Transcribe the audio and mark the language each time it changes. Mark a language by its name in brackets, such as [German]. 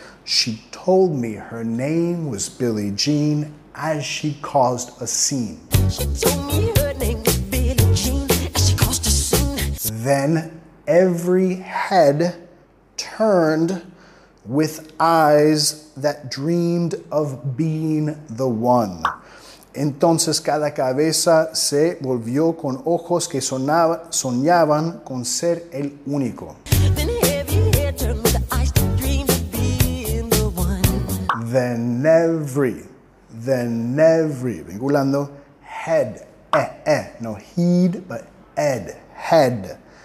[English] She told me her name was Billie Jean as she caused a scene. She told me her name was Billie Jean as she caused a scene. Then every head turned with eyes that dreamed of being the one. [Spanish] Entonces cada cabeza se volvió con ojos que soñaban con ser el único. [English] Then every head turned with eyes that dreamed of being the one. Then every, vinculando, head, no heed, but head, head.